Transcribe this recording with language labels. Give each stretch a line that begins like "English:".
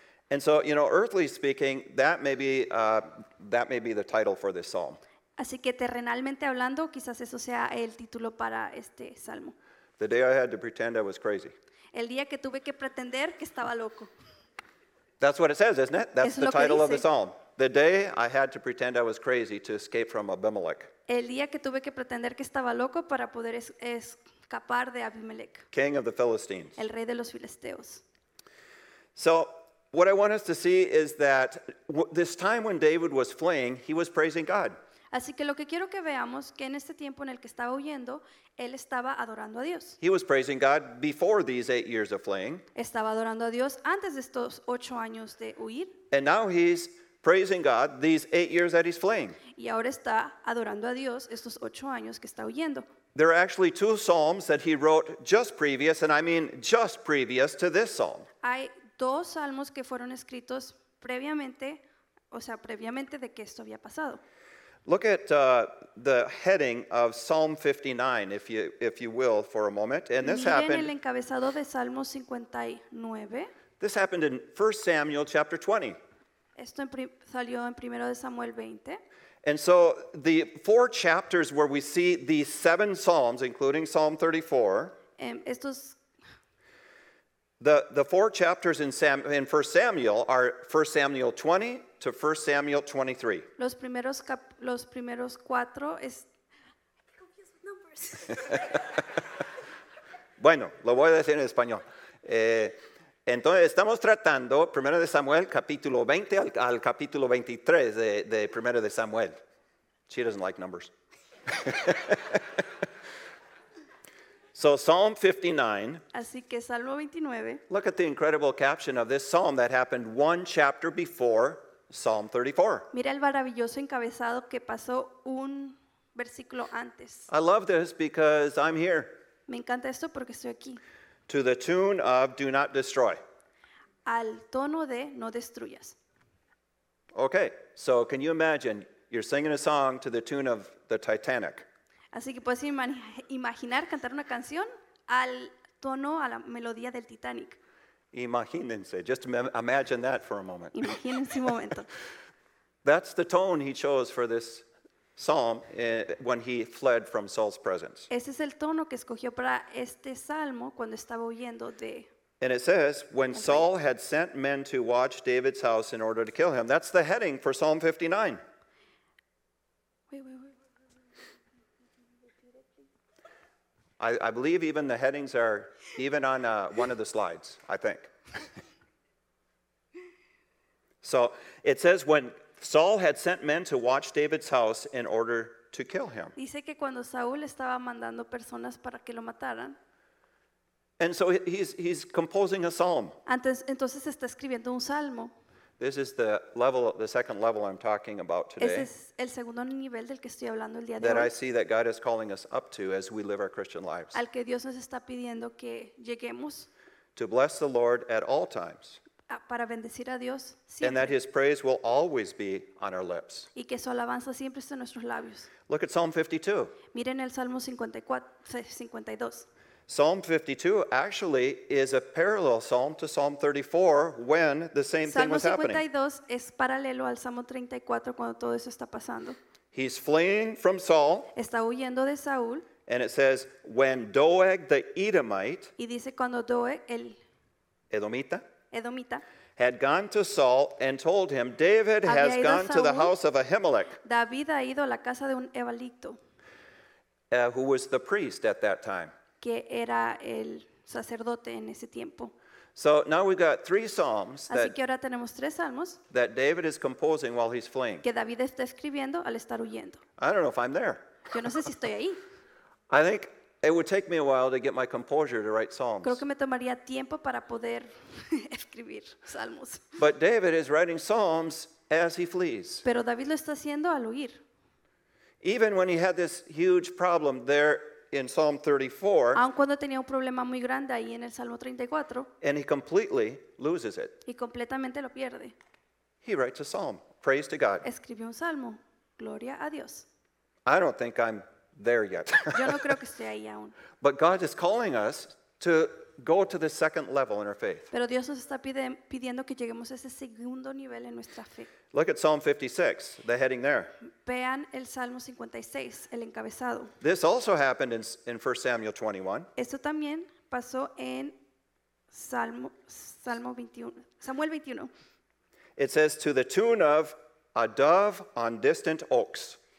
English: And so, you know, earthly speaking, that may be the title for this psalm.
Spanish: Así que terrenalmente hablando, quizás eso sea el título para este salmo.
English: The day I had to pretend I was crazy.
Spanish: El día que tuve que pretender que estaba loco.
English: That's what it says, isn't it? That's
Spanish: eso
English: the title
Spanish: dice.
English: Of the psalm. The day I had to pretend I was crazy to escape from Abimelech.
Spanish: El día que tuve que pretender que estaba loco para poder escapar de Abimelech.
English: King of the Philistines.
Spanish: El rey de los filisteos.
English: So, what I want us to see is that this time when David was fleeing, he was praising God.
Spanish: Así que lo que quiero que veamos que en este tiempo en el que estaba huyendo, él estaba adorando a Dios.
English: He was praising God before these 8 years of fleeing.
Spanish: Estaba adorando a Dios antes de estos 8 años de huir.
English: And now he's praising God these 8 years that he's fleeing.
Spanish: Y ahora está adorando a Dios estos 8 años que está huyendo.
English: There are actually 2 psalms that he wrote just previous, and I mean just previous to this psalm.
Spanish: Hay 2 salmos que fueron escritos previamente, o sea, previamente de que esto había pasado.
English: Look at the heading of Psalm 59, if you will, for a moment. And this
Spanish: miren
English: happened.
Spanish: El encabezado de Salmo 59.
English: This happened in 1 Samuel chapter 20.
Spanish: Esto salió en 1 de Samuel 20.
English: And so the 4 chapters where we see these 7 psalms, including Psalm 34. The 4 chapters in 1 Samuel are 1 Samuel 20 to 1 Samuel 23.
Spanish: Los primeros 4 es... Bueno, lo voy a decir en español. Entonces, estamos tratando 1 de Samuel, capítulo 20 al capítulo 23 de 1 de Samuel.
English: She doesn't like numbers. So Psalm 59.
Spanish: Así que Salmo 29.
English: Look at the incredible caption of this psalm that happened 1 chapter before Psalm 34.
Spanish: Mira el maravilloso encabezado que pasó un versículo antes.
English: I love this because I'm here.
Spanish: Me encanta esto porque estoy aquí.
English: To the tune of "Do not destroy."
Spanish: Al tono de "No destruyas."
English: Okay, so can you imagine you're singing a song to the tune of the Titanic?
Spanish: Así que puedes imaginar cantar una canción al tono, a la melodía del Titanic. Imagínense,
English: just imagine that for a moment.
Spanish: Imagínense un momento.
English: That's the tone he chose for this psalm when he fled from Saul's presence.
Spanish: Ese es el tono que escogió para este salmo cuando estaba huyendo de...
English: And it says, when Saul had sent men to watch David's house in order to kill him. That's the heading for Psalm 59. I believe even the headings are even on one of the slides, I think. So it says when Saul had sent men to watch David's house in order to kill him.
Spanish: Dice que cuando Saúl estaba mandando personas para que lo mataran.
English: And so he's composing a psalm.
Spanish: Entonces está escribiendo un salmo.
English: This is the second level I'm talking about today.
Spanish: Ese es el segundo nivel del que estoy hablando el día de hoy.
English: That I see that God is calling us up to as we live our Christian lives.
Spanish: Al que Dios nos está pidiendo que lleguemos.
English: To bless the Lord at all times.
Spanish: Para bendecir a Dios siempre.
English: And that his praise will always be on our lips.
Spanish: Y que su alabanza siempre esté en nuestros labios.
English: Look at Psalm 52.
Spanish: Miren el Salmo 52.
English: Psalm 52 actually is a parallel psalm to Psalm 34 when the same
Spanish: Salmo
English: thing was
Spanish: 52
English: happening.
Spanish: Es paralelo al Salmo 34 cuando todo eso está pasando.
English: He's fleeing from Saul.
Spanish: Está huyendo de Saúl.
English: And it says, when Doeg the Edomite,
Spanish: y dice cuando Doeg el
English: Edomita, had gone to Saul and told him, David has gone
Spanish: Saul,
English: to the house of Ahimelech.
Spanish: David ha ido a la casa de un Ebalito.
English: Who was the priest at that time.
Spanish: Que era el sacerdote en ese tiempo.
English: So now we've got three psalms
Spanish: así que ahora tenemos tres salmos
English: that David is composing while he's fleeing.
Spanish: Que David está escribiendo al estar huyendo.
English: I don't know if I'm there.
Spanish: Yo no sé si estoy ahí.
English: I think it would take me a while to get my composure to write psalms.
Spanish: Creo que me tomaría tiempo para poder escribir salmos.
English: But David is writing psalms as he flees.
Spanish: Pero David lo está haciendo al huir.
English: Even when he had this huge problem there in Psalm 34.
Spanish: Aun cuando tenía un problema muy grande ahí en el Salmo 34.
English: And he completely loses it.
Spanish: Y completamente lo pierde.
English: He writes a psalm, praise to God.
Spanish: Escribió un salmo, gloria a Dios.
English: I don't think I'm there yet.
Spanish: Yo no creo que esté ahí aún.
English: But God is calling us to go to the second level in our faith.
Spanish: Pero Dios nos está pidiendo que lleguemos a ese segundo nivel en nuestra fe.
English: Look at Psalm 56, the heading there.
Spanish: Vean el Salmo 56, el encabezado.
English: This also happened in 1 Samuel 21.
Spanish: Esto también pasó en Salmo 21, Samuel 21.
English: It says, to the tune of a dove on distant oaks.